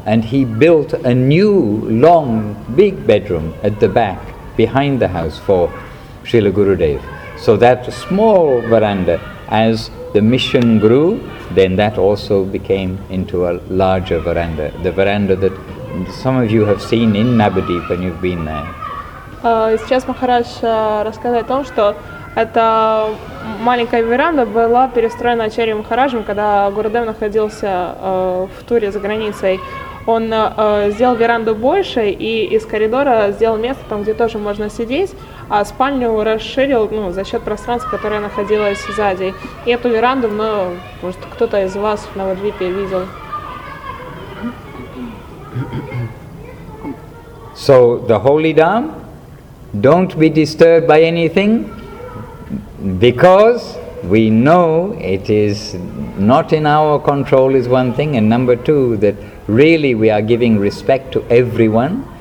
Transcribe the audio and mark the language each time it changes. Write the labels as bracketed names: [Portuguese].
[English] And he built a new, long, big bedroom at the back, behind the house for Srila Gurudev. So that small veranda, as the mission grew, then that also became into a larger veranda, the veranda that some of you have seen in Navadvip when you've been there. [Russian] Сейчас Махарадж рассказывает о том, что эта маленькая веранда была перестроена Ачарьей Махараджем, когда Гурудев находился в туре за границей. Он сделал веранду больше и из коридора сделал место там, где тоже можно сидеть, а спальню расширил, ну, за счет пространства, которое находилось сзади. И эту веранду, ну, может, кто-то из вас в Навадвипе видел. [English] So the holy Dham, don't be disturbed by anything. Because we know it is not in our control is one thing, and number two, that really we are giving respect to everyone.